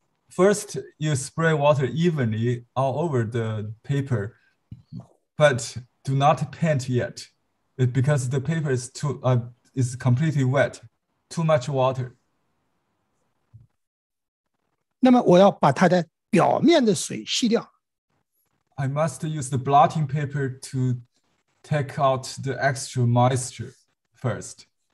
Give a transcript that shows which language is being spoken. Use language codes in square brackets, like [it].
[en] First, you spray water evenly all over the paper, but do not paint yet, because the paper is is completely wet, too much water. [zh] 那么我要把它的表面的水吸掉。 [en] I must use the blotting paper to take out the extra moisture first.